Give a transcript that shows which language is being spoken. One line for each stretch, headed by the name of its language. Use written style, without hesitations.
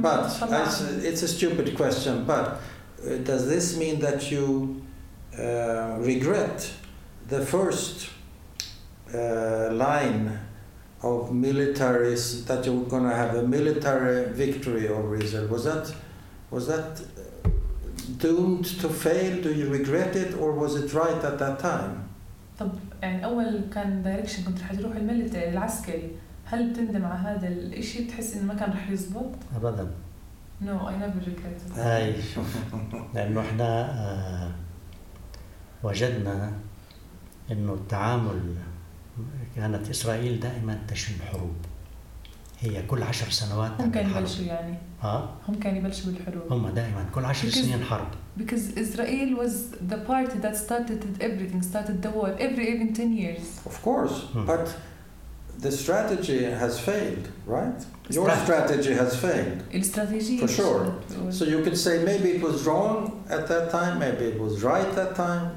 English: But it's a stupid question, but does this mean that you regret the first line of militaries, that you were going to have a military victory over Israel? Was that doomed to fail? Do you regret it, or was it right at that time?
Arabic: يعني أول كان دايركشن كنت رح تروح الميليتري العسكري هل تندم على هذا الإشي تحس إنه ما كان رح يزبط؟ أبداً.
English: No, I never regret it.
Arabic: هاي لأنه إحنا وجدنا إنه التعامل كانت إسرائيل دائماً تشن حروب هي كل 10 سنوات. هم كانوا يبلشوا يعني. ها؟ هم كانوا يبلشوا بالحروب. هم دائماً كل 10 سنين حرب.
English: Because Israel was the party that started everything, started the war, every even 10 years. Of course, but the strategy has failed, right? Your strategy has failed. For sure. So you could say maybe it was wrong at that time, maybe it was right that time.